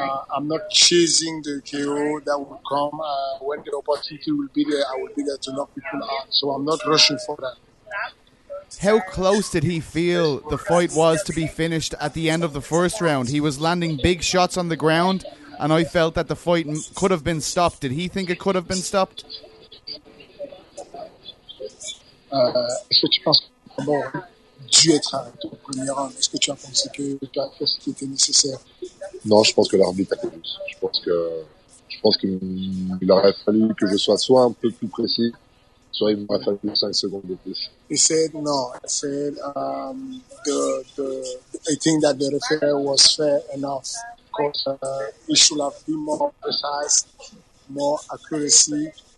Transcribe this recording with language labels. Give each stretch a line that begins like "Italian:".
English: I'm not chasing the KO that will come. When the opportunity will be there, I will be there to knock people out. So I'm not rushing for that. How close did he feel the fight was to be finished at the end of the first round? He was landing big shots on the ground, and I felt that the fight could have been stopped. Did he think it could have been stopped?
French: Est-ce que tu penses que le combat dû être au premier round? Est-ce que tu as pensé que tu as fait ce qui était nécessaire? Non, je pense que l'arbitre a fait plus. Je pense qu'il aurait fallu que je sois soit un peu plus précis, soit il m'aurait fallu 5 secondes de plus.
English: He said no. He said I think that the referee was fair enough. Of course, he should have been more precise, more accuracy.